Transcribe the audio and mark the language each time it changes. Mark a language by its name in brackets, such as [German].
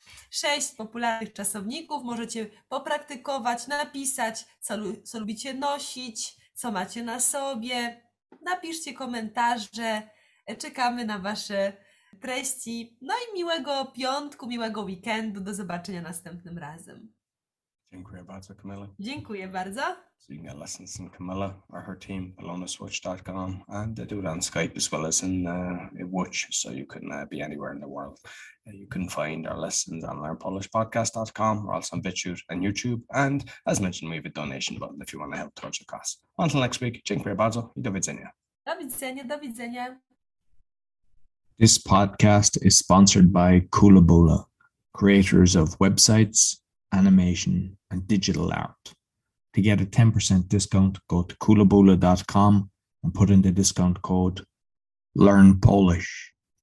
[Polish] Sześć popularnych czasowników. Możecie popraktykować, napisać, co lubicie nosić, co macie na sobie. Napiszcie komentarze, czekamy na wasze treści. No i miłego piątku, miłego weekendu. Do zobaczenia następnym razem. Dziękuję bardzo, Kamila. Dziękuję bardzo. [English] So you can get lessons from Kamila or her team, alonaswatch.com, and they do it on Skype as well as in Watch, so you can be anywhere in the world. You can find our lessons on learnpolishpodcast.com or also on BitChute and YouTube. And as mentioned, we have a donation button if you want to help towards the cost. Until next week, [Polish] dziękuję bardzo i do widzenia. Do widzenia, do widzenia. [English] This podcast is sponsored by Koolaboola, creators of websites, animation, and digital art. To get a 10% discount, go to koolaboola.com and put in the discount code LearnPolish.